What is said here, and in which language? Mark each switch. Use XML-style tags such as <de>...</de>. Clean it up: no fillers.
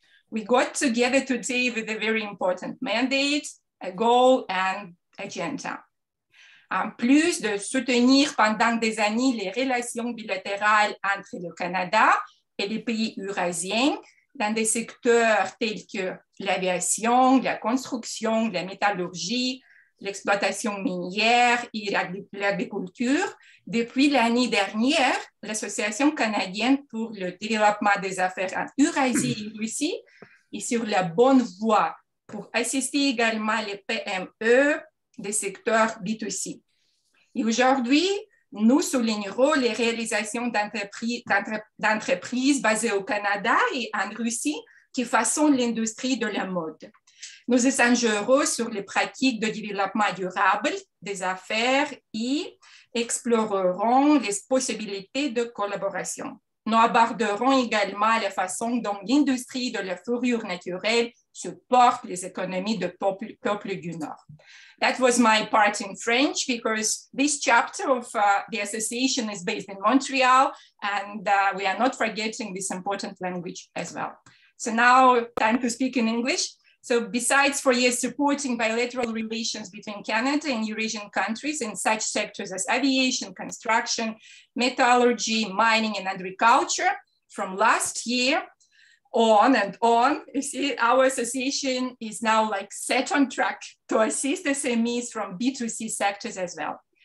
<en>We got together today with a very important mandate, a goal and agenda.</en> <fr>En plus de soutenir pendant des années les relations bilatérales entre le Canada et les pays eurasiens dans des secteurs tels que l'aviation, la construction, la métallurgie, l'exploitation minière et l'agriculture, depuis l'année dernière, l'Association canadienne pour le développement des affaires en Eurasie et Russie est sur la bonne voie pour assister également les PME des secteurs B2C. Et aujourd'hui, nous soulignerons les réalisations d'entreprises basées au Canada et en Russie qui façonnent l'industrie de la mode. Nous échangerons sur les pratiques de développement durable des affaires et explorerons les possibilités de collaboration. Nous aborderons également la façon dont l'industrie de la fourrure naturelle supporte les économies de peuples du Nord.</fr> <en>That was my part in French because this chapter of the association is based in Montreal and we are not forgetting this important language as well. So now time to speak in English. So besides for years supporting bilateral relations between Canada and Eurasian countries in such sectors as aviation, construction, metallurgy, mining and agriculture, from last year on and on, you see, our association is now like set on track to assist SMEs from B2C sectors as well.</en>